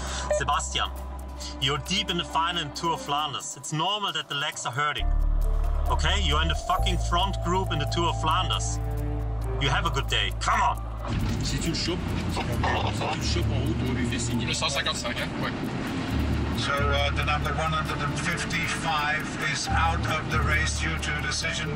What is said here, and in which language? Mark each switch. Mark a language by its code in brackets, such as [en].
[en] Sebastian, you're deep in the final Tour of Flanders. It's normal that the legs are hurting. Okay? You're in the fucking front group in the Tour of Flanders. You have a good day. Come on. [fr] Si tu le chopes, en haut, on lui fait signer. Le 155, hein? Ouais. [en] So the number 155 is out of the race due to decision.